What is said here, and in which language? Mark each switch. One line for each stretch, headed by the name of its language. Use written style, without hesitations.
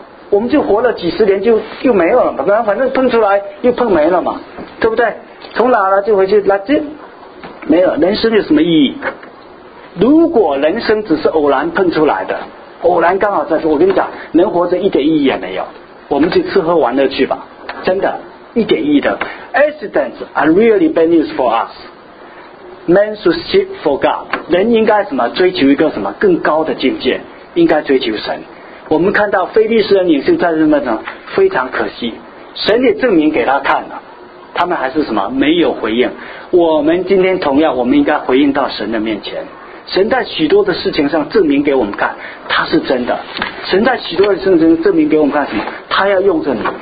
Chinese: 我们就活了几十年就又没有了嘛，然后反正碰出来又碰没了嘛，对不对？从哪来就回去，那就没有人生有什么意义？如果人生只是偶然碰出来的，偶然刚好在说，我跟你讲，能活着一点意义也没有，我们去吃喝玩乐去吧，真的一点意义的。
English: Accidents are really bad news for us. Man should seek for God.
Chinese: 人应该什么追求一个什么更高的境界，应该追求神。我们看到非利士人女性在这么非常可惜，神也证明给他看了，他们还是什么没有回应。我们今天同样，我们应该回应到神的面前。神在许多的事情上证明给我们看他是真的，神在许多的事情上证明给我们看什么，他要用着你。